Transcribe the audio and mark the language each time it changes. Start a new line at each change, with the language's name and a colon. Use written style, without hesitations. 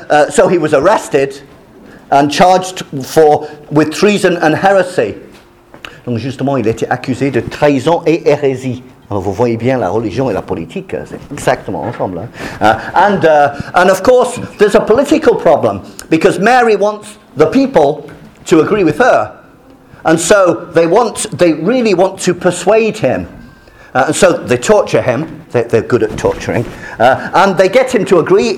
English: So he was arrested and charged with treason and heresy.
French: Donc justement, il était accusé de trahison et hérésie. Alors vous voyez bien la religion et la politique, c'est exactement ensemble.
English: And of course, there's a political problem because Mary wants the people to agree with her, and so they really want to persuade him. And so they torture him. They're good at torturing, and they get him to agree.